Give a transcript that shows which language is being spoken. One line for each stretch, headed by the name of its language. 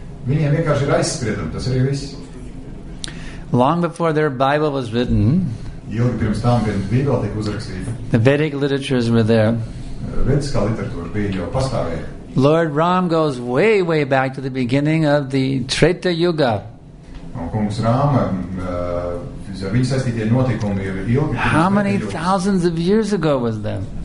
Latvian: Viņiem vienkārši ir aizspriedumi, tas arī viss.
English: Long before their Bible was written,
Latvian: ilgi pirms tam, kad Bībele tika uzrakstīta,
English: the Vedic literatures were there.
Latvian: Vediskā literatūra bija jau pastāvēja.
English: Lord Ram goes way, way back to the beginning of the Treta Yuga.
Latvian: Un kungs Rāma, viņa saistītie notikumi ir ilgi.
English: How many thousands of years ago was that?